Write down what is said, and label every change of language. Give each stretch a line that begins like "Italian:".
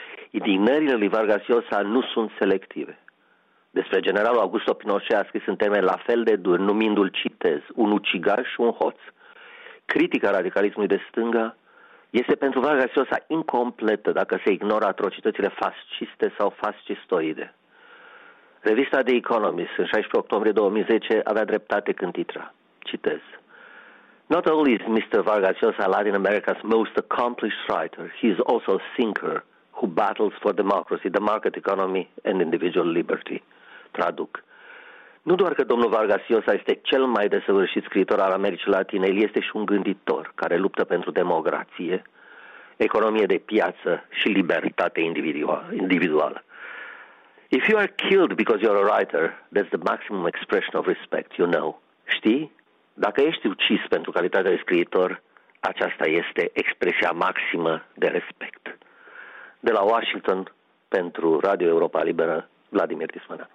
Romanian: Idinările lui Vargas Llosa nu sunt selective. Despre generalul Augusto Pinochet a scris în termeni la fel de dur, numindu-l, citez, un ucigaș și un hoț. Critica radicalismului de stânga este pentru Vargas Llosa incompletă dacă se ignoră atrocitățile fasciste sau fascistoide. Revista The Economist, în 16 octombrie 2010, avea dreptate când titra. Citez.
English: Not only is Mr. Vargas Llosa Latin America's most accomplished writer, he is also a thinker who battles for democracy, the market economy and individual liberty.
Romanian: Traduc. Nu doar că domnul Vargas Llosa este cel mai desăvârșit scriitor al Americii Latine, el este și un gânditor care luptă pentru democrație, economie de piață și libertate individuală.
English: If you are killed because you're a writer, that's the maximum expression of respect, you know.
Romanian: Știi? Dacă ești ucis pentru calitatea de scriitor, aceasta este expresia maximă de respect. De la Washington, pentru Radio Europa Liberă, Vladimir Tismana.